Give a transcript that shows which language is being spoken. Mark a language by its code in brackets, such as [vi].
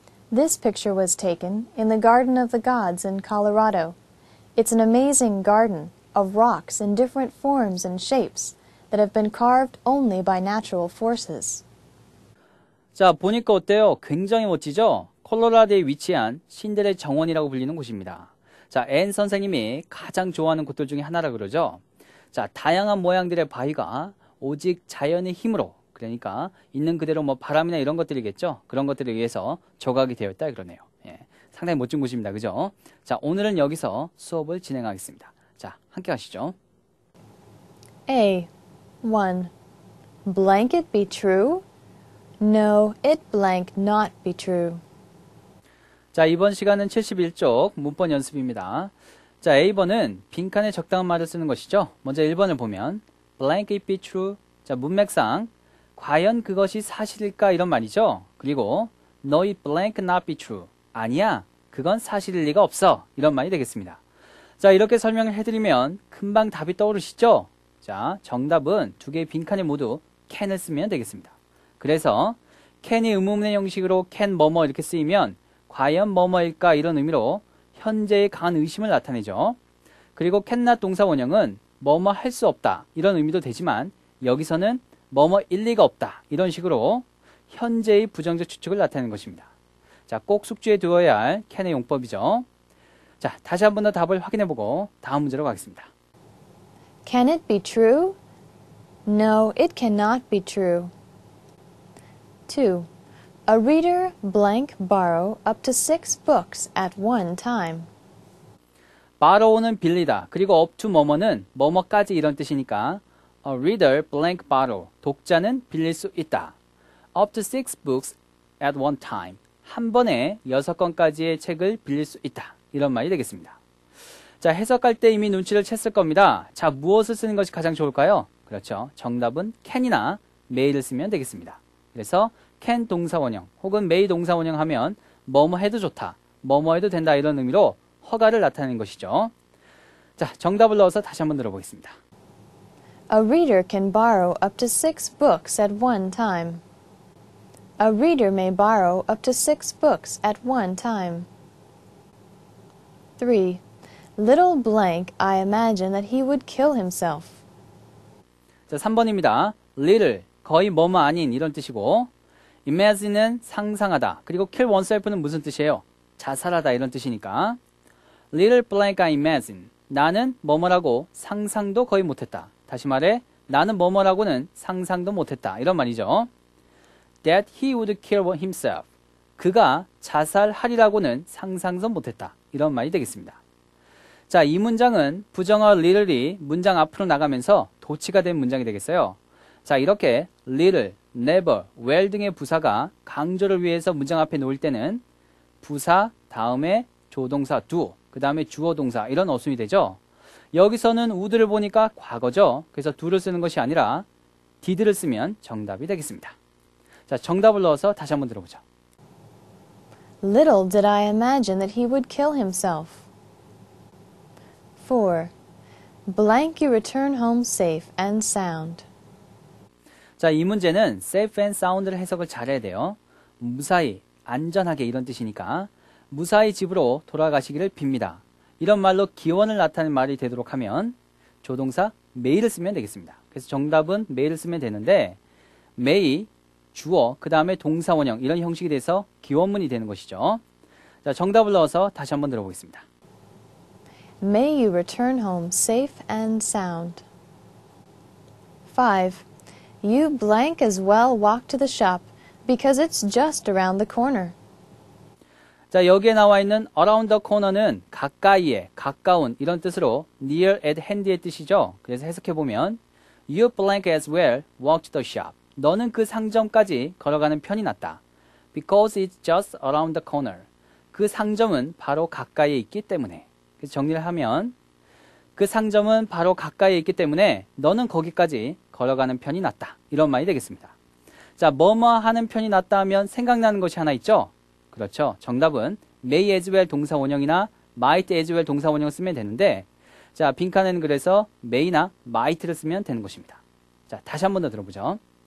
[en] This picture was taken in the Garden of the Gods in Colorado. It's an amazing garden of rocks in different forms and shapes that have been carved only by natural forces. [ko] 자, 보니까 어때요? 굉장히 멋지죠? 콜로라도에 위치한 신들의 정원이라고 불리는 곳입니다. 자, 앤 선생님이 가장 좋아하는 곳들 중에 하나라 그러죠? 자, 다양한 모양들의 바위가 오직 자연의 힘으로, 그러니까 있는 그대로 뭐 바람이나 이런 것들이겠죠? 그런 것들을 위해서 조각이 되었다 그러네요. 예, 상당히 멋진 곳입니다. 그죠? 자, 오늘은 여기서 수업을 진행하겠습니다. 자, 함께 하시죠. [en] A. 1. Blanket be true? No, it blank not be true. [ko] 자, 이번 시간은 71쪽 문법 연습입니다. 자, A번은 빈칸에 적당한 말을 쓰는 것이죠. 먼저 1번을 보면 [en] blank it be true. [ko] 자, 문맥상 과연 그것이 사실일까 이런 말이죠. 그리고 [en] no it blank not be true. [ko] 아니야. 그건 사실일 리가 없어. 이런 말이 되겠습니다. 자, 이렇게 설명을 해 드리면 금방 답이 떠오르시죠? 자, 정답은 두 개의 빈칸에 모두 can을 쓰면 되겠습니다. 그래서 can이 의문문의 형식으로 can 뭐뭐 이렇게 쓰이면 과연 뭐뭐일까 이런 의미로 현재의 강한 의심을 나타내죠. 그리고 cannot 동사 원형은 뭐뭐 할 수 없다 이런 의미도 되지만 여기서는 뭐뭐 일리가 없다 이런 식으로 현재의 부정적 추측을 나타내는 것입니다. 자, 꼭 숙지해 두어야 할 can의 용법이죠. 자, 다시 한 번 더 답을 확인해 보고 다음 문제로 가겠습니다. [en] Can it be true? No, it cannot be true. 2. A reader blank borrow up to 6 books at one time. [ko] Borrow는 빌리다. 그리고 up to 뭐뭐는 뭐뭐까지 이런 뜻이니까 [en] A reader blank borrow. [ko] 독자는 빌릴 수 있다. [en] Up to 6 books at one time. [ko] 한 번에 6권까지의 책을 빌릴 수 있다. 이런 말이 되겠습니다. 자, 해석할 때 이미 눈치를 챘을 겁니다. 자, 무엇을 쓰는 것이 가장 좋을까요? 그렇죠. 정답은 can이나 may를 쓰면 되겠습니다. 그래서 can 동사원형 혹은 may 동사원형 하면 뭐뭐 해도 좋다, 뭐뭐 해도 된다 이런 의미로 허가를 나타내는 것이죠. 자, 정답을 넣어서 다시 한번 들어보겠습니다. [en] A reader can borrow up to 6 books at one time. A reader may borrow up to 6 books at one time. 3. Little blank, I imagine that he would kill himself. [ko] 자, 3번입니다. Little, 거의 뭐뭐 아닌 이런 뜻이고 Imagine은 상상하다. 그리고 kill oneself는 무슨 뜻이에요? 자살하다 이런 뜻이니까 [en] Little blank, I imagine. [ko] 나는 뭐뭐라고 상상도 거의 못했다. 다시 말해, 나는 뭐뭐라고는 상상도 못했다. 이런 말이죠. [en] That he would kill himself. [ko] 그가 자살하리라고는 상상도 못했다. 이런 말이 되겠습니다. 자, 이 문장은 부정어 little이 문장 앞으로 나가면서 도치가 된 문장이 되겠어요. 자, 이렇게 little, never, well 등의 부사가 강조를 위해서 문장 앞에 놓을 때는 부사 다음에 조동사 do, 그 다음에 주어 동사 이런 어순이 되죠. 여기서는 would를 보니까 과거죠. 그래서 do를 쓰는 것이 아니라 did를 쓰면 정답이 되겠습니다. 자, 정답을 넣어서 다시 한번 들어보죠. [en] Little did I imagine that he would kill himself. 4. Blank you return home safe and sound. [ko] 자, 이 문제는 safe and sound를 해석을 잘해야 돼요. 무사히, 안전하게 이런 뜻이니까 무사히 집으로 돌아가시기를 빕니다. 이런 말로 기원을 나타낸 말이 되도록 하면 조동사 may를 쓰면 되겠습니다. 그래서 정답은 may를 쓰면 되는데 may, 주어, 그 다음에 동사원형 이런 형식이 돼서 기원문이 되는 것이죠. 자, 정답을 넣어서 다시 한번 들어보겠습니다. [en] May you return home safe and sound. 5. You blank as well walk to the shop because it's just around the corner. [ko] 자, 여기에 나와 있는 around the corner는 가까이에, 가까운 이런 뜻으로 near at hand의 뜻이죠. 그래서 해석해 보면 [en] You blank as well walk to the shop. [ko] 너는 그 상점까지 걸어가는 편이 낫다. [en] Because it's just around the corner. [ko] 그 상점은 바로 가까이에 있기 때문에. 그래서 정리를 하면 그 상점은 바로 가까이에 있기 때문에 너는 거기까지 걸어가는 편이 낫다. 이런 말이 되겠습니다. 자, 뭐뭐 하는 편이 낫다 하면 생각나는 것이 하나 있죠? 그렇죠. 정답은 may as well 동사원형이나 might as well 동사원형을 쓰면 되는데 자, 빈칸에는 그래서 may나 might를 쓰면 되는 것입니다. 자, 다시 한 번 더 들어보죠.